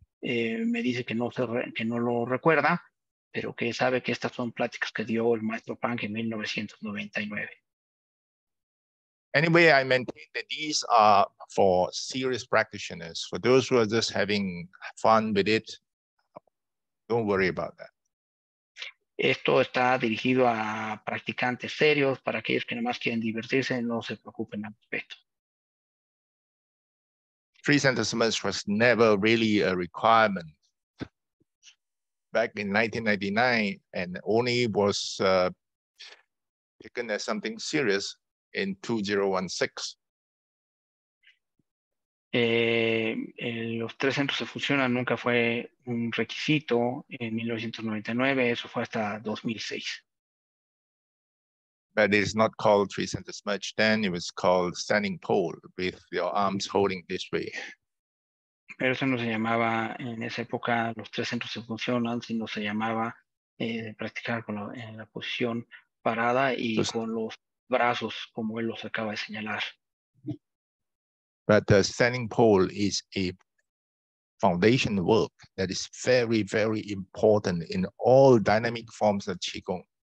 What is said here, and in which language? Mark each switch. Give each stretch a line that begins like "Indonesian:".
Spanish: Me dice que no lo recuerda, pero que sabe que estas son pláticas que dio el maestro Pang en 1999.
English: Anyway, I maintain that these are for serious practitioners. For those who are just having fun with it, don't worry about that.
Spanish: Esto está dirigido a practicantes serios, para aquellos que nomás quieren divertirse, no se preocupen al respecto.
English: Three sentences was never really a requirement back in 1999 and only was taken as something serious in 2016.
Spanish: Los tres centros de fusión nunca fue un requisito en 1999, eso fue hasta 2006.
English: But it is not called three centers merge then, it was called standing pole with your arms holding this way.
Spanish: Pero eso no se llamaba en esa época los tres centros de fusión, sino se llamaba practicar con la posición parada y so, con los brazos, como él los acaba de señalar.
English: But the standing pole is a foundation work that is very, very important in all dynamic forms of Qigong.